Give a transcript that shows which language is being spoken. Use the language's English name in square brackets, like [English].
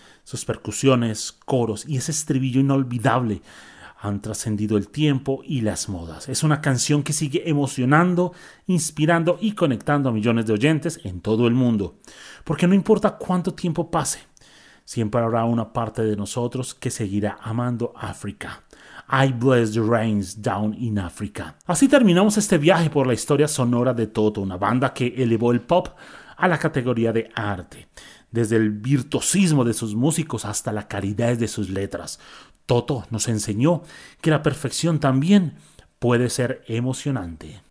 [Spanish] Sus percusiones, coros y ese estribillo inolvidable han trascendido el tiempo y las modas. Es una canción que sigue emocionando, inspirando y conectando a millones de oyentes en todo el mundo. Porque no importa cuánto tiempo pase, siempre habrá una parte de nosotros que seguirá amando África. [English] I bless the rains down in Africa. [Spanish] Así terminamos este viaje por la historia sonora de Toto, una banda que elevó el pop a la categoría de arte. Desde el virtuosismo de sus músicos hasta la calidad de sus letras, Toto nos enseñó que la perfección también puede ser emocionante.